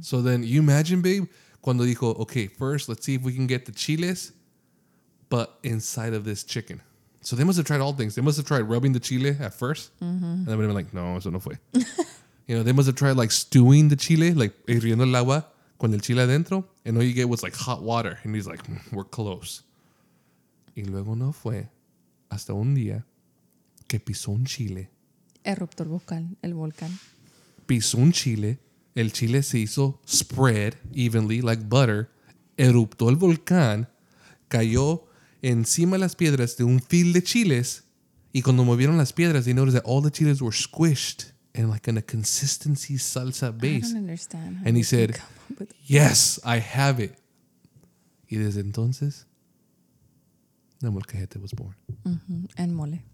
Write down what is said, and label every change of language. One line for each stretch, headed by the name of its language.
English: So then, you imagine, babe,
Spanish: cuando dijo,
English: okay, first, let's see if we can get the chiles, but inside of this chicken. So they must have tried all things. They must have tried rubbing the chile at first. Mm-hmm. And then they would have been like,
Spanish: no, eso no fue.
English: You know, they must have tried like stewing the chile, like
Spanish: hirviendo el agua con el chile adentro.
English: And all you get was like hot water. And he's like, we're close.
Spanish: Y luego no fue hasta un día que pisó un chile. Eruptor volcán, el volcán. Pisó un chile. El chile se hizo
English: spread evenly like butter.
Spanish: Eruptó el volcán. Cayó encima de las piedras de un fil de chiles. Y cuando movieron las piedras,
English: they noticed that all the chiles were squished and like in a consistency salsa base. I don't understand. And he said, yes, I have it.
Spanish: Y desde entonces,
English: the molcajete was born. And mole.